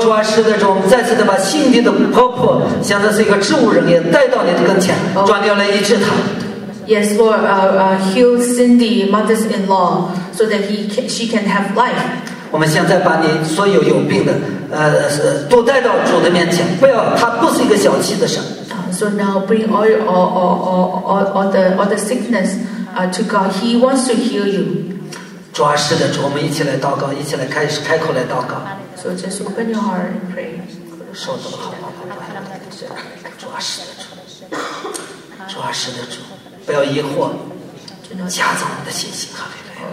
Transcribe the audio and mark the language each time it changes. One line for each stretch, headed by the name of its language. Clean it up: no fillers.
Chinese: 主啊，是的，主，我们再次的把心里的婆婆，现在是一个植物人，也带到你的跟前，主啊，你要来医治她。
English: Yes, Lord, heal Cindy, mother-in-law, so that she can have life.
Chinese: 我们现在把你所有有病的都带到主的面前，不要，他不是一个小气的神。
English: So now bring all the sickness to God. He wants to heal you.
Chinese: 主啊，是的，主，我们一起来祷告，一起来开口来祷告。
English: So just open your heart and pray.
Chinese: 说多了好话不管主啊是的主主啊是的主不要疑惑加增我们的信心哈利路亚